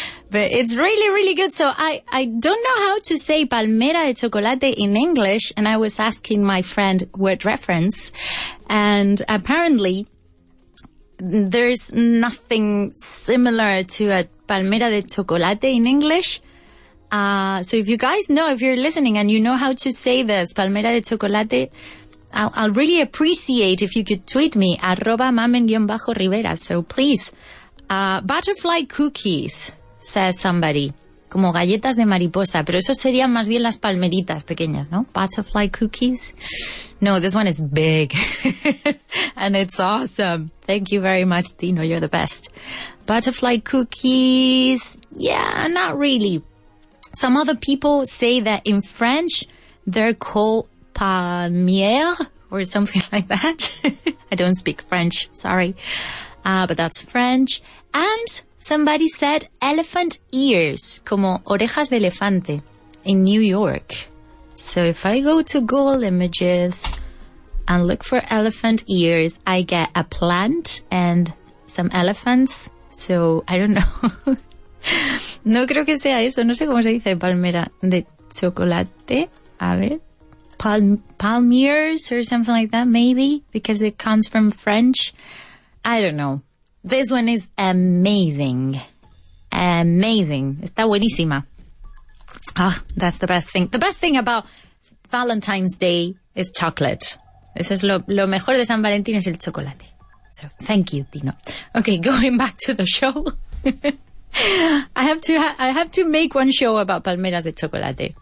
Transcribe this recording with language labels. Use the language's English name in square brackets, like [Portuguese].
[English] But it's really, really good. So I don't know how to say Palmera de Chocolate in English, and I was asking my friend word reference, and apparently there's nothing similar to a Palmera de Chocolate in English. So if you guys know, if you're listening and you know how to say this, palmera de chocolate, I'll really appreciate if you could tweet me, @mamen_rivera. So please, butterfly cookies, says somebody. [Spanish] Como galletas de mariposa, pero eso serían más bien las palmeritas pequeñas, ¿no? [English] Butterfly cookies. No, this one is big. And it's awesome. Thank you very much, Tino. You're the best. Butterfly cookies. Yeah, not really. Some other people say that in French, they're called palmiers or something like that. I don't speak French. Sorry. But that's French. And somebody said elephant ears, [Spanish] como orejas de elefante, [English] in New York. So if I go to Google Images and look for elephant ears, I get a plant and some elephants. So I don't know. [Spanish] No creo que sea eso. No sé cómo se dice palmera de chocolate. A ver. [English] Palmiers or something like that, maybe, because it comes from French. I don't know. This one is amazing. Amazing. [Spanish] Está buenísima. [English] Ah, that's the best thing. The best thing about Valentine's Day is chocolate. [Spanish] Eso es lo mejor de San Valentín, es el chocolate. [English] So, thank you, Tino. Okay, going back to the show. I have to make one show about palmeras de chocolate.